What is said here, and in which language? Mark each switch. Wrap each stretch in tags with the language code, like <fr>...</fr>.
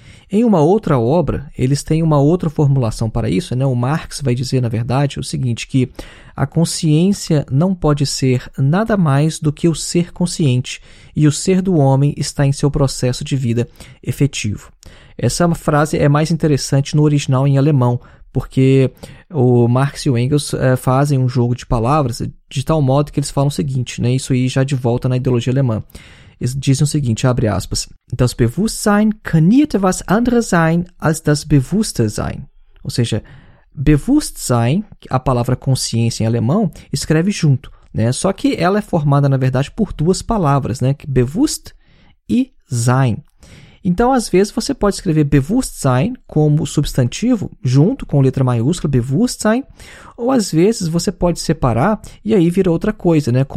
<pt>Em uma outra obra, eles têm uma outra formulação para isso, né? O Marx vai dizer, na verdade, o seguinte, que a consciência não pode ser nada mais do que o ser consciente, e o ser do homem está em seu processo de vida efetivo. Essa frase é mais interessante no original em alemão, porque o Marx e o Engels fazem um jogo de palavras de tal modo que eles falam o seguinte, né? Isso aí já de volta na ideologia alemã. Eles dizem o seguinte, abre aspas,</pt> <de>das Bewusstsein kann nicht was anderes sein als das Bewusstsein.</de> <pt>Ou seja, Bewusstsein, a palavra consciência em alemão, escreve junto, né? Só que ela é formada, na verdade, por duas palavras, né? Bewusst e sein. Então, às vezes, você pode escrever Bewusstsein como substantivo, junto com letra maiúscula, Bewusstsein, ou às vezes você pode separar e aí vira outra coisa, né?</pt>